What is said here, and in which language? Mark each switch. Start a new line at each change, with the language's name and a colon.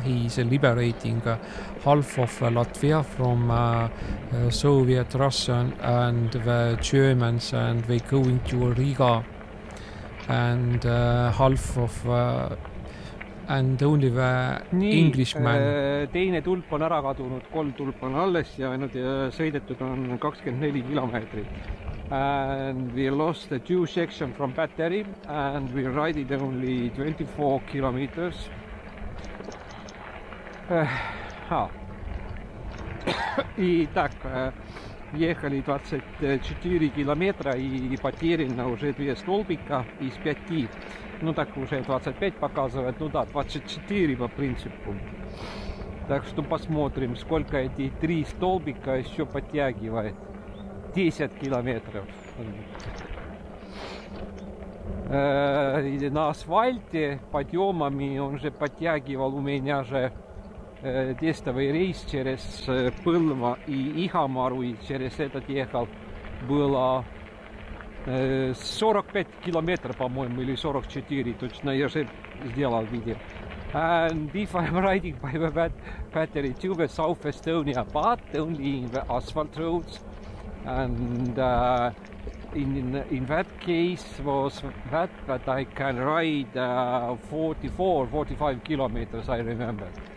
English: He is liberating half of Latvia from Soviet Russian and the Germans, and they going to Riga, and half of and only the nii, Englishman.
Estonian: Teine tulp on ära kadunud, kolm tulp on alles ja nad sõidetud on 24 kilometrit.
English: And we lost the two section from battery and we ride it only 24 kilometers.
Russian: И так, ехали 24 километра и потеряли на уже две столбика из пяти. Ну так уже 25 показывает, ну да, 24 по принципу. Так что посмотрим, сколько эти три столбика еще подтягивает. 10 километров на асфальте подъемами он же подтягивал у меня же тестовый рейс через Пылма и Ихамару и через этот ехал было 45 километров по-моему или 44 точно я же сделал видео.
English: And if I'm riding by the battery to the South Estonia but only in the asphalt roads. And in that case was that I can ride 44-45 kilometers, I remember.